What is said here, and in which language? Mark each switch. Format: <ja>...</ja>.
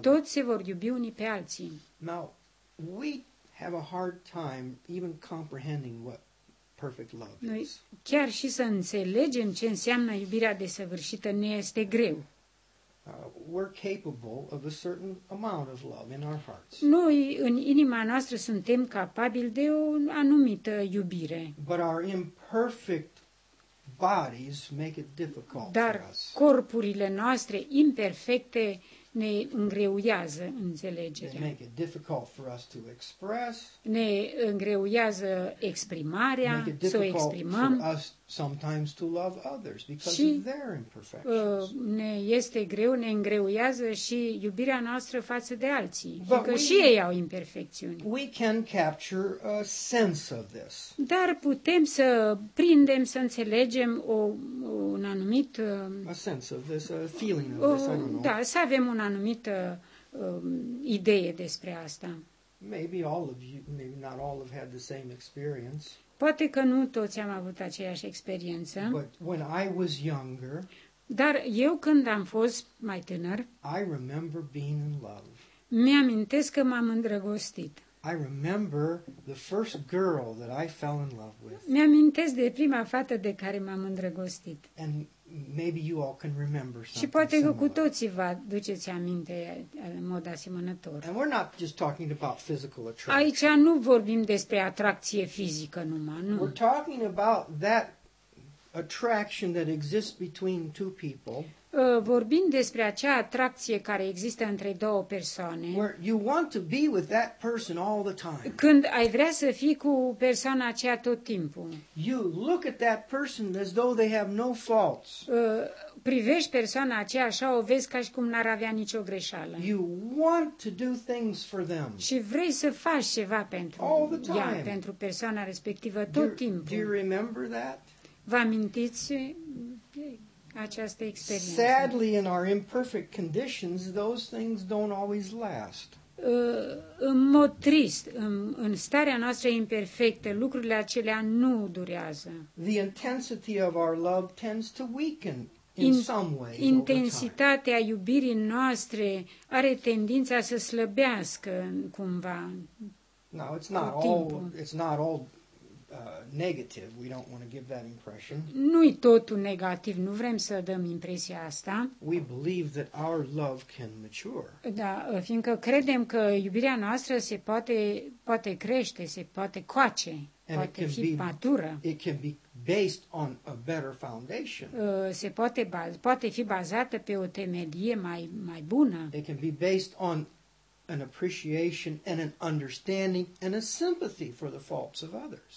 <ro>Toți se vor iubi unii pe alții.</ro> <en>Now we have a hard time even comprehending what perfect love is.</en> <ro>Chiar și să înțelegem ce înseamnă iubirea desăvârșită ne este greu.</ro> <en>We're capable of a certain amount of love in our hearts.</en> <ro>Noi în inima noastră suntem capabili de o anumită iubire.</ro> <en>But our imperfect bodies make it difficult</en> <ro>Dar</ro> <en>for us.</en> <ro>Dar corpurile noastre imperfecte ne îngreuiază înțelegerea.</ro> <en>Make it difficult for us to express.</en> <ro>Ne îngreuiază exprimarea, să o exprimăm.</ro> <en>For us sometimes to love others because of their imperfections.</en> <ro>Ne este greu, ne îngreuiază și iubirea noastră față de alții, fiindcă și ei au imperfecțiuni.</ro> <en>We can capture a sense of this.</en> <ro>Dar putem să prindem, să înțelegem un anumit</ro> <en>a sense of this, a feeling of this, I don't know.</en> <ro>Da, să avem un anumită idee despre asta.</ro> <en>Maybe all of you, maybe not all have had the same experience.</en> <ro>Poate că nu toți am avut aceeași experiență.</ro> <en>But when I was younger,</en> <ro>dar eu când am fost mai tânăr,</ro> <en>I remember being in love.</en> <ro>Mi-amintesc că m-am îndrăgostit.</ro> <en>I remember the first girl that I fell in love with.</en> <ro>Mi-amintesc de prima fată de care m-am îndrăgostit.</ro> <en>And maybe you all can remember something.</en> <ro>Și poate că cu toții vă aduceți aminte în mod asemănător.</ro> <en>And we're not just talking about physical attraction.</en> <ro>Aici nu vorbim despre atracție fizică numai, nu.</ro> <en>We're talking about that attraction that exists between two people.</en> <ro>Vorbim despre acea atracție care există între două persoane.</ro> <en>Where you want to be with that person all the time.</en> <ro>Când ai vrea să fii cu persoana aceea tot timpul.</ro> <en>You look at that person as though they have no faults.</en> <ro>Privești persoana aceea așa, o vezi ca și cum n-ar avea nicio greșeală.</ro> <en>You want to do things for them.</en> <ro>Și vrei să faci ceva pentru</ro> <en>all the time.</en> <ro>Ea, pentru persoana respectivă tot timpul.</ro> <en>Do you remember that?</en> <ro>Vă amintiți această experiență?</ro> <en>Sadly, in our imperfect conditions, those things don't always last.</en> <ro>În mod trist, în starea noastră imperfectă, lucrurile acelea nu durează.</ro> <en>The intensity of our love tends to weaken in some way.</en> <ro>Intensitatea iubirii noastre are tendința să slăbească cumva.</ro> <en>Now, it's not all negative. We don't want to give that impression.</en> <ro>Nu-i totul negativ. Nu vrem să dăm impresia asta.</ro> <en>We believe that our love can mature.</en> <ro>Da, fiindcă credem că iubirea noastră se poate crește, se poate coace,</ro> <en>and</en> <ro>poate fi matură.</ro> <en>It can be based on a better foundation.</en> <ro>Poate fi bazată pe o temelie mai bună.</ro> <en>It can be based on an appreciation and an understanding and a sympathy for the faults of others.</en>